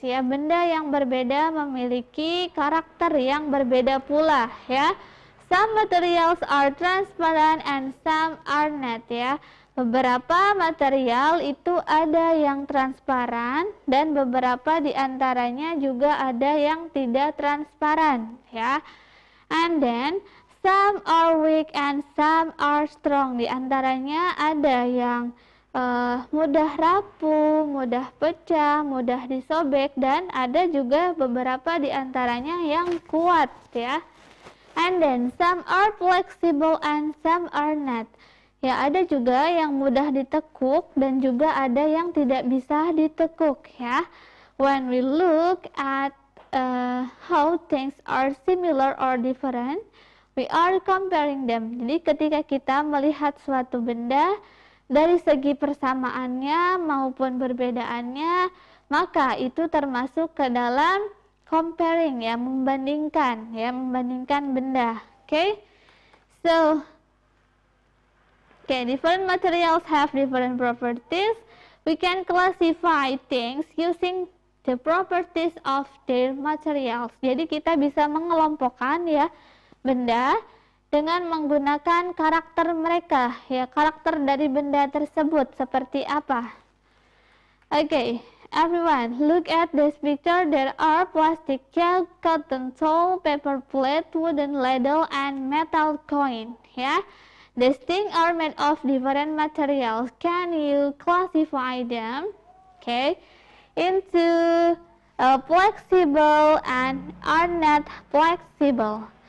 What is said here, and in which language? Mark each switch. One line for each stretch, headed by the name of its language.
Indonesian: Ya, benda yang berbeda memiliki karakter yang berbeda pula, ya.
English: Some materials are transparent and some are not, ya.
Indonesian: Beberapa material itu ada yang transparan dan beberapa di antaranya juga ada yang tidak transparan, ya.
English: And then some are weak and some are strong.
Indonesian: Di antaranya ada yang mudah rapuh, mudah pecah, mudah disobek, dan ada juga beberapa di antaranya yang kuat, ya.
English: And then some are flexible and some are not.
Indonesian: Ya, ada juga yang mudah ditekuk dan juga ada yang tidak bisa ditekuk, ya.
English: When we look at how things are similar or different, we are comparing them.
Indonesian: Jadi ketika kita melihat suatu benda dari segi persamaannya maupun perbedaannya, maka itu termasuk ke dalam comparing, ya, membandingkan, ya, membandingkan benda.
English: Okay, so okay, different materials have different properties. We can classify things using the properties of their materials.
Indonesian: Jadi kita bisa mengelompokkan, ya, benda dengan menggunakan karakter mereka, ya, karakter dari benda tersebut seperti apa.
English: Okay, everyone, look at this picture. There are plastic jug, cotton towel, paper plate, wooden ladle, and metal coin. Ya, these things are made of different materials. Can you classify them, okay, into flexible and are not flexible?